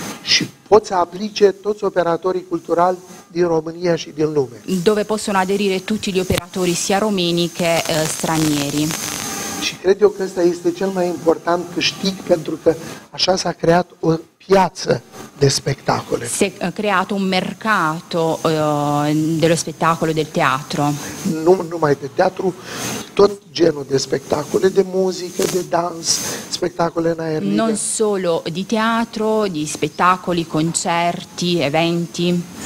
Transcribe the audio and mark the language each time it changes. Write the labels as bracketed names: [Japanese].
[Romanian] Și poți aplice toți operatorii culturali din România și din lume. [Italian] Dove possono aderire tutti gli operatori sia romeni che stranieri. [Romanian] Și cred eu că ăsta este cel mai important câștig pentru că așa s-a creat o piață de spectacole. [Italian] Si è creato un mercato dello spettacolo del teatro. [Romanian] Nu numai de teatru, tot genul de spectacole, de muzică, de dans, spectacole în aer liber. [Italian] Non solo di teatro, di spettacoli, concerti, eventi.